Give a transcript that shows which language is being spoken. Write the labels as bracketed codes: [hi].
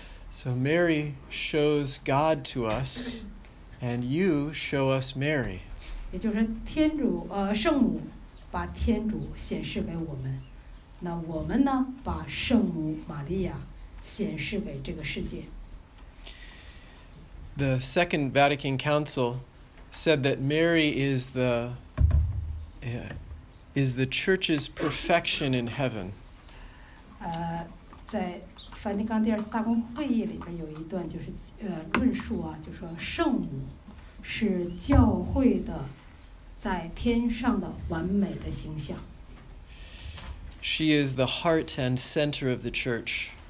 [en] So Mary shows God to us, and you show us Mary. [zh] 也就是天主，圣母。把天主显示给我们，那我们呢？把圣母玛利亚显示给这个世界。 [en] The Second Vatican Council said that Mary is the Church's perfection in heaven. [zh] 在梵蒂冈第二次大公会议里边有一段就是论述啊，就说圣母是教会的。在天上的完美的形象。 [en] She is the heart and center of the church.